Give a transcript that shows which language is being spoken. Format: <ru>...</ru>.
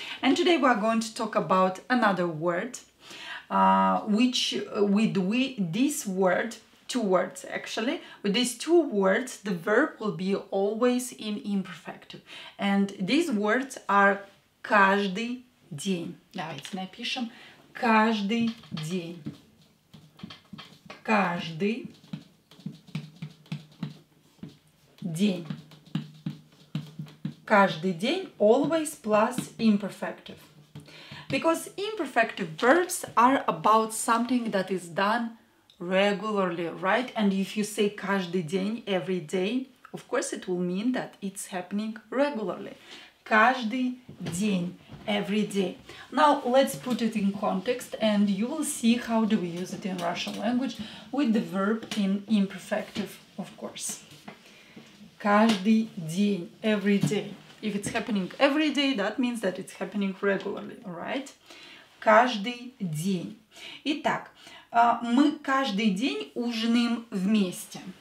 <en>And today we are going to talk about another word, which with we this word, two words actually, with these two words, the verb will be always in imperfective. And these words are каждый день.</en> <ru>Давайте напишем каждый день. Каждый день.</ru> <en>Каждый день, always plus imperfective. Because imperfective verbs are about something that is done regularly, right? And if you say каждый день, every day, of course it will mean that it's happening regularly.</en> <ru>Каждый день, every day.</ru> <en>Now, let's put it in context and you will see how do we use it in Russian language with the verb in imperfective, of course.</en> <ru>Каждый день, every day.</ru> <en>If it's happening every day, that means that it's happening regularly, right?</en> <ru>Каждый день. Итак, мы каждый день ужинаем вместе.</ru>